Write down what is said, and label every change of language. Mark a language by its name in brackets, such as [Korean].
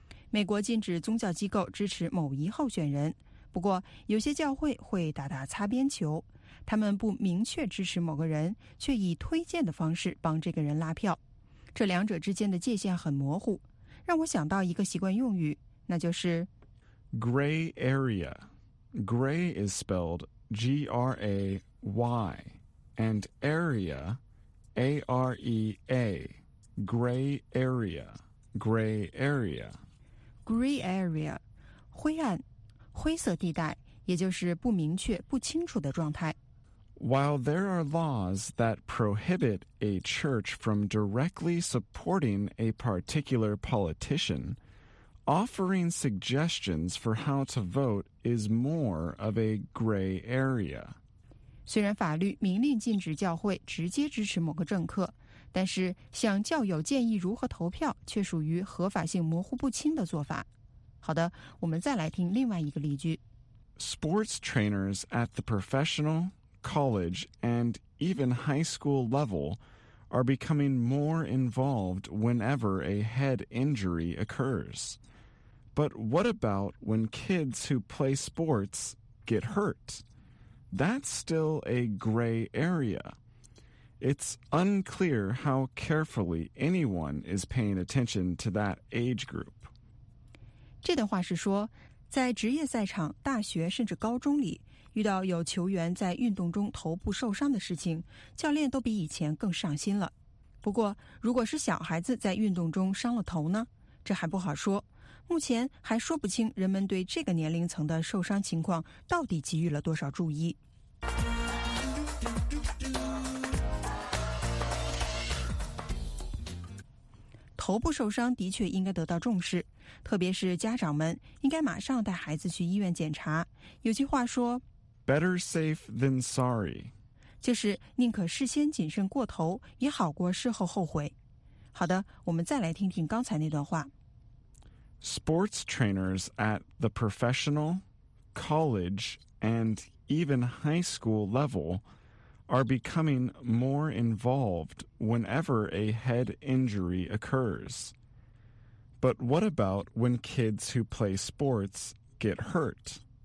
[Chinese] 美国禁止宗教机构支持某一候选人，不过有些教会会打打擦边球。他们不明确支持某个人，却以推荐的方式帮这个人拉票，这两者之间的界限很模糊，让我想到一个习惯用语，那就是 [English] gray area. Gray is spelled G-R-A-Y, and area, A-R-E-A, gray area, gray area, [Chinese] gray area, 灰暗、灰色地带，也就是不明确、不清楚的状态。 [English] While there are laws that prohibit a church from directly supporting a particular politician, offering suggestions for how to vote is more of a gray area. [Chinese] 虽然法律明令禁止教会直接支持某个政客，但是向教友建议如何投票却属于合法性模糊不清的做法。好的，我们再来听另外一个例句。 [English] Sports trainers at the professional, college, and even high school level are becoming more involved whenever a head injury occurs. But what about when kids who play sports get hurt? That's still a gray area. It's unclear how carefully anyone is paying attention to that age group. [Chinese] 这段话是说，在职业赛场、大学甚至高中里，遇到有球员在运动中头部受伤的事情，教练都比以前更上心了。不过，如果是小孩子在运动中伤了头呢？这还不好说。目前还说不清人们对这个年龄层的受伤情况到底给予了多少注意。头部受伤的确应该得到重视，特别是家长们应该马上带孩子去医院检查。有句话说 [English] Better safe than sorry， [Chinese] 就是宁可事先谨慎过头也好过事后后悔。好的，我们再来听听刚才那段话。 [English] Sports trainers at the professional, college, and even high school level are becoming more involved whenever a head injury occurs. But what about when kids who play sports get hurt?